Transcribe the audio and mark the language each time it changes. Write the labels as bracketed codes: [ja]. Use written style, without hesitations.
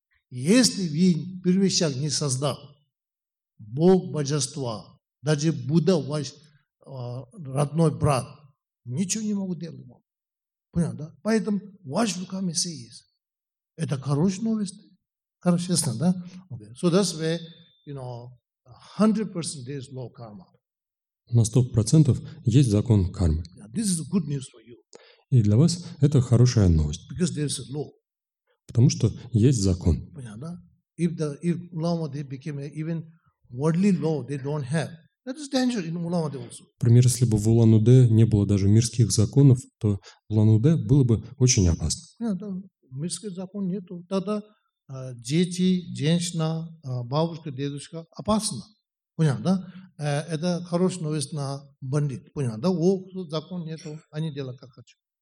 [ru] Если вы первый шаг не создал, Бог, Божество, даже Будда, ваш родной брат, ничего не могут делать вам. Понял, да? Поэтому ваш руками все есть. Это хорошая новость. Хорошо, честно, да? Okay. [en] So that's where, you know, 100% there is law karma. [ru] На 100% есть закон кармы. [en] Yeah, this is good news for you. [ru] И для вас это хорошая новость. [en] Because there is a law. [ru] Потому что есть закон. Понял, да? [en] If the ulama they became even worldly law they don't have. That is dangerous in Ulan-Ude also. [ru] Например, если бы в Улан-Удэ не было даже мирских законов, то в Улан-Удэ было бы очень опасно. Нет, да, мирских законов нет. Тогда дети, женщина, бабушка, дедушка опасно. Понял, да? Это хорошая новость на бандит. Понял, да? О, закон нет, они делают как хотят.